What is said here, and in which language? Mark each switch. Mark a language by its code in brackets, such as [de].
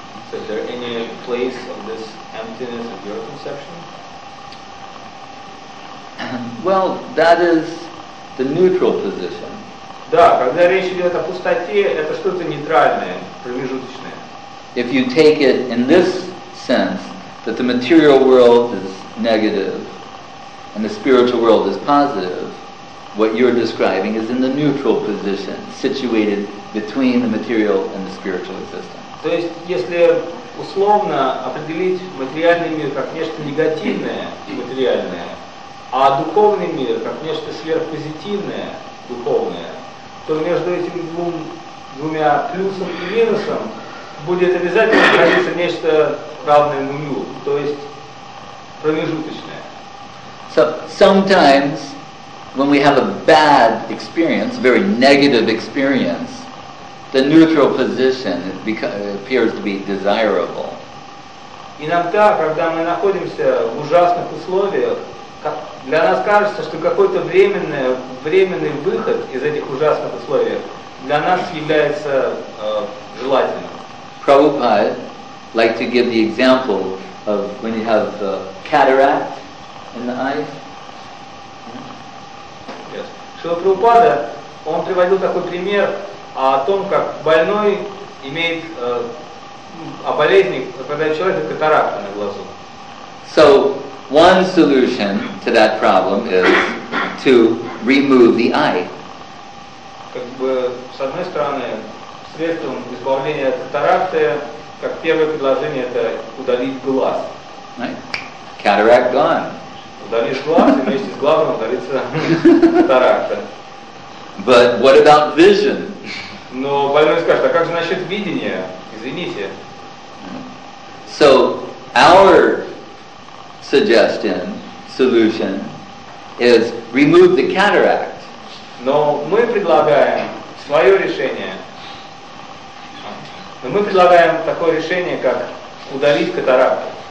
[en] So is there any place of this emptiness of your conception? Well, that is the neutral position. [ru] Да, когда речь идет о пустоте, это что-то нейтральное, промежуточное. [en] If you take it in this sense, that the material world is negative and the spiritual world is positive, what you're describing is in the neutral position, situated between the material and the spiritual existence. [ru] То есть, если условно определить материальный мир как нечто негативное и материальное, а духовный мир как нечто сверхпозитивное, духовное, то между этим двумя плюсом и минусом будет обязательно находиться нечто равное нулю, то есть промежуточное. [en] So sometimes when we have a bad experience, a very negative experience, the neutral position appears to be desirable. [ru] Иногда, когда мы находимся в ужасных условиях, для нас кажется, что какой-то временный выход из этих ужасных условий для нас является желательным. [en] Prabhupada liked to give the example of when you have the cataract in the eye. Yes. [ru] Шрила Прабхупада, он приводил такой пример о том, как больной имеет о болезни, когда человек катаракта на глазу. [en] So one solution to that problem is to remove the eye. [ru] Как бы, с одной стороны, средством избавления от катаракты, как первое предложение, это удалить глаз. [en] Right. Cataract gone. [ru] Удалишь глаз, и вместе с глазом удалится катаракта. [en] But what about vision? [ru] Но больной скажет, а как же насчет видения? Извините. [en] So, our suggestion, solution, is remove the cataract. [ru] Но мы предлагаем свое решение. Но мы предлагаем такое решение, как удалить катаракту.